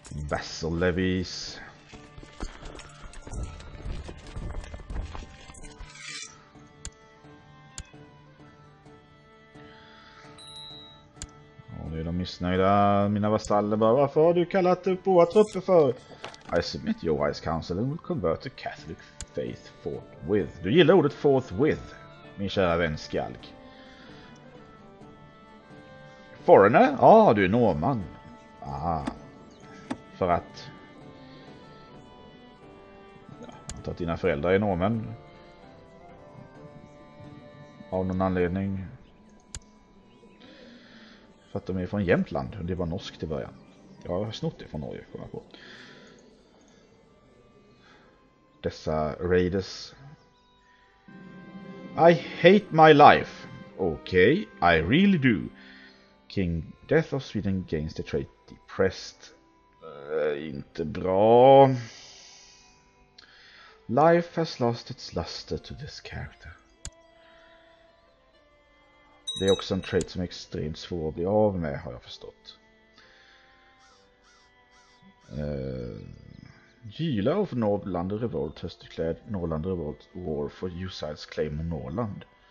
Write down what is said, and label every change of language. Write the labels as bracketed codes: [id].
[en] Vassal levies. [sv] Nu är de missnöjda, mina vassaller. Varför har du kallat upp våra trupper för? [en] I submit your wise counsel and will convert to Catholic faith forthwith. [sv] Du gillar ordet forthwith, min kära vän Skalk. Foreigner? Ja, ah, du är norrman. Ah, för att... att dina föräldrar är norrmän av någon anledning, för att de är från Jämtland och det var norskt i början. Jag har snott det från Norge, kom jag på. Dessa raiders. [en] I hate my life. Okay, I really do. King Death of Sweden gains the trait depressed. [sv] Inte bra. [en] Life has lost its luster to this character. [sv] Det är också en trait som är extremt svår att bli av med, har jag förstått. [en] Gila of Norrland Revolt has declared Norrland Revolt war for Usides claim on Norrland.